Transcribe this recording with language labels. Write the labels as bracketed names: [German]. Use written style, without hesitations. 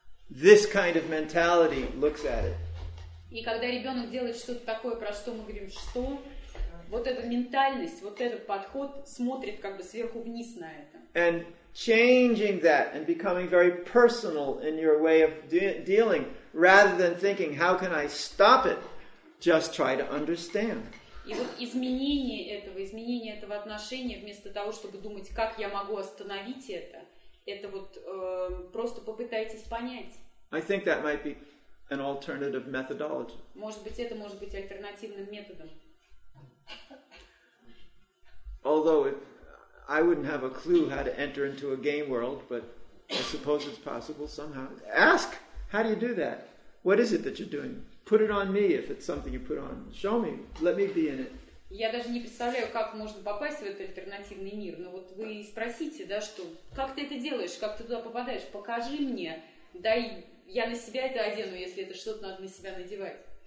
[English] This kind of mentality looks at it. [Russian] И когда ребенок делает что-то такое, про что мы говорим, что? Вот эта ментальность, вот этот подход смотрит как бы сверху вниз на это. [English] And changing that and becoming very personal in your way of dealing, rather than thinking, how can I stop it? Just try to understand. [Russian] И вот изменение этого отношения, вместо того, чтобы думать, как я могу остановить это вот просто попытайтесь понять. [English] I think that might be an alternative methodology. [Russian] Может быть, это может быть альтернативным методом. [English] Although I wouldn't have a clue how to enter into a game world, but I suppose it's possible somehow. Ask, how do you do that? What is it that you're doing? Put it on me if it's something you put on. Show me. Let me be in it. [Russian] Я даже не представляю, как можно попасть в этот альтернативный мир. Но вот вы спросите, да, что, как ты это делаешь, как ты туда попадаешь? Покажи мне. Дай, я на себя это одену, если это что-то надо на себя надевать.